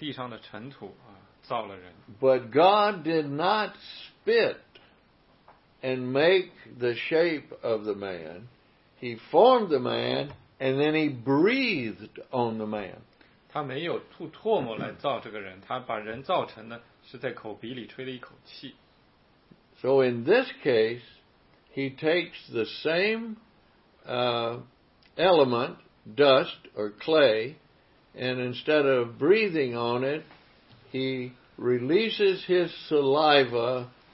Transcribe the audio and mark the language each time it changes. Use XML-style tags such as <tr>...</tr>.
<zh>在创世纪二章呢，神是用地上的尘土啊造了人。</zh> <en>But God did not spit and make the shape of the man. He formed the man, and then he breathed on the man.</en> <zh>他没有吐唾沫来造这个人，他把人造成呢，是在口鼻里吹了一口气。</zh> <en>So in this case, he takes the same element, dust or clay, and instead of breathing on it, he releases his saliva</en>